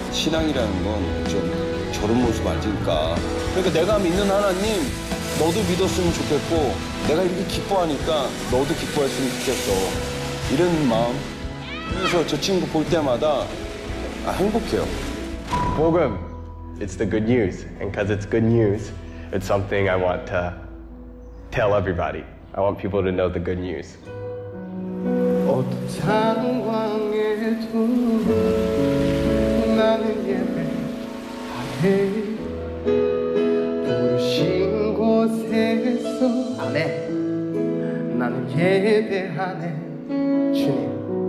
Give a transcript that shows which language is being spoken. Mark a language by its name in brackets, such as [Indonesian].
[Korean] 신앙이라는 건 좀 저런 모습 아닐까. 그러니까 내가 믿는 하나님, 너도 믿었으면 좋겠고 내가 이렇게 기뻐하니까 너도 기뻐했으면 좋겠어. 이런 마음. 그래서 저 친구 볼 때마다 아, 행복해요. [English] 복음, it's the good news. And because it's good news, it's something I want to tell everybody. I want people to know the good news. [Korean] 어떤 상황에도 나는 예배하네 부르신 곳에서 아멘 나는 예배하네 주님